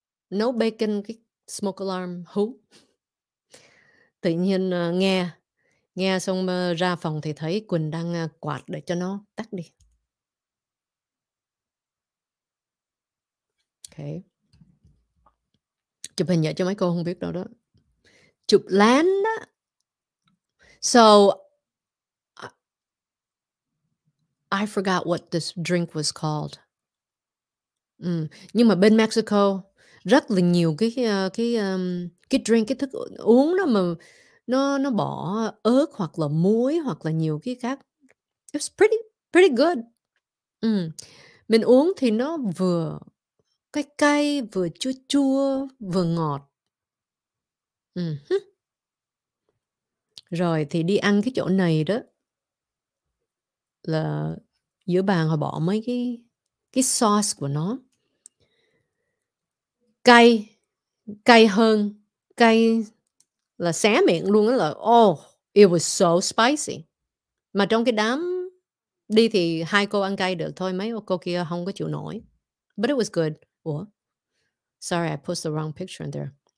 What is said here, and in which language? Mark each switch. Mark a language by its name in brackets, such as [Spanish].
[Vietnamese] Nấu bacon, cái smoke alarm hú. Tự nhiên nghe xong ra phòng thì thấy Quỳnh đang quạt để cho nó tắt đi. Okay. Chụp hình nhẹ cho mấy cô không biết đâu đó. Chụp lén đó. [English] So, I forgot what this drink was called. [Vietnamese] Nhưng mà bên Mexico, rất là nhiều cái drink, cái thức uống đó mà nó bỏ ớt hoặc là muối hoặc là nhiều cái khác. [English] It's pretty good. [Vietnamese] Mình uống thì nó vừa cay cay, vừa chua chua, vừa ngọt. Rồi thì đi ăn cái chỗ này đó. Là giữa bàn họ bỏ mấy cái sauce của nó. Cay, cay hơn, cay là xé miệng luôn đó, là [English] oh, it was so spicy. [Vietnamese] Mà trong cái đám đi thì hai cô ăn cay được thôi, mấy cô kia không có chịu nổi. [English] But it was good. Ủa? Sorry, I put the wrong picture in there.